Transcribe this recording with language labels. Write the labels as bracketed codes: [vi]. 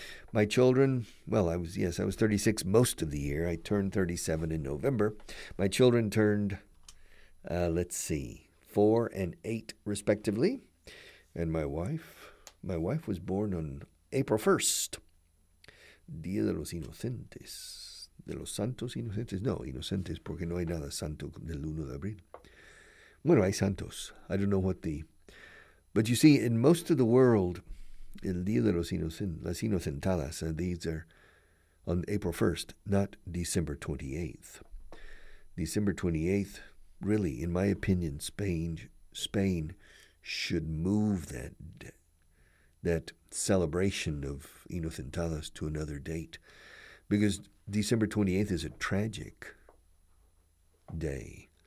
[en] My children, I was 36 most of the year. I turned 37 in November. My children turned, 4 and 8 respectively. And my wife was born on April 1st. [es] Día de los Inocentes. De los Santos Inocentes. No, Inocentes, porque no hay nada santo del 1 de abril. [en] Bueno, hay santos. I don't know what the... But you see, in most of the world... El Día de los las Inocentadas, and these are on April 1st, not December 28th. December 28th, really, in my opinion, Spain should move that celebration of Inocentadas to another date, because December 28th is a tragic day.